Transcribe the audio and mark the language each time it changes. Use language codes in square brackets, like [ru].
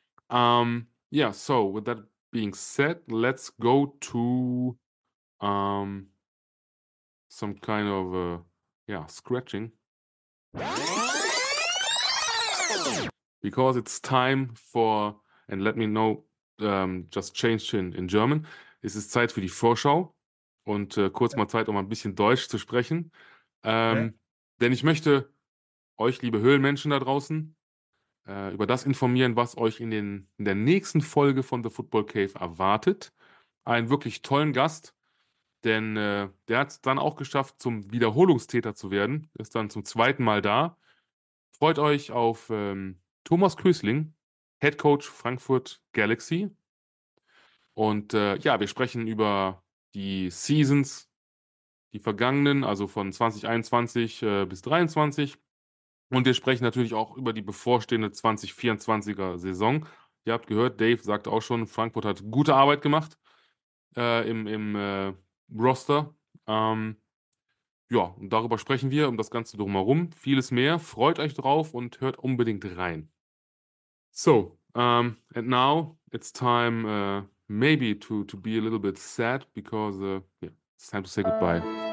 [en] So with that being said, let's go to some kind of scratching. Because it's time for, and let me know, just changed in German. [de] Es ist Zeit für die Vorschau und kurz mal Zeit, um ein bisschen Deutsch zu sprechen. Denn ich möchte euch, liebe Höhlenmenschen da draußen, über das informieren, was euch in der nächsten Folge von The Football Cave erwartet. Einen wirklich tollen Gast, denn der hat es dann auch geschafft, zum Wiederholungstäter zu werden. Ist dann zum zweiten Mal da. Freut euch auf Thomas Kösling, Head Coach Frankfurt Galaxy. Und wir sprechen über die Seasons, die vergangenen, also von 2021 bis 2023. Und wir sprechen natürlich auch über die bevorstehende 2024er Saison. Ihr habt gehört, Dave sagte auch schon, Frankfurt hat gute Arbeit gemacht im Roster. Und darüber sprechen wir, um das Ganze drumherum. Vieles mehr, freut euch drauf und hört unbedingt rein. [en] So, and now it's time maybe to be a little bit sad because it's time to say goodbye.